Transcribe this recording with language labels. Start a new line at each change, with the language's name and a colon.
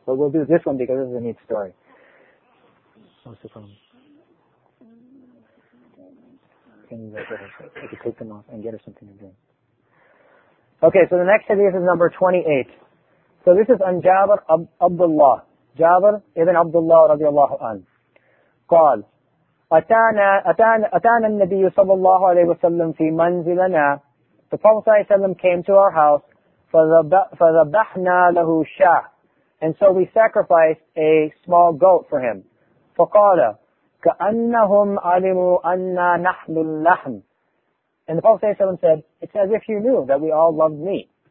English: But we'll do this one because this is a neat story. What's the problem? Can you get her? I could take them off and get her something to drink. Okay, so the next hadith is number 28. So this is an Jabir Abdullah. Jabir ibn Abdullah radiallahu anhu.
Arabic: قال أتانا النبي صلى الله عليه وسلم في منزلنا.
English: The Prophet ﷺ came to our house,
Arabic: فَذَبَحْنَا لَهُ شَاهْ,
English: and so we sacrificed a small goat for him.
Arabic: فَقَالَ كَأَنَّهُمْ عَلِمُوا أَنَّا نَحْنُ اللَّحْمُ,
English: and the Prophet ﷺ said, it's as if you knew that we all loved meat.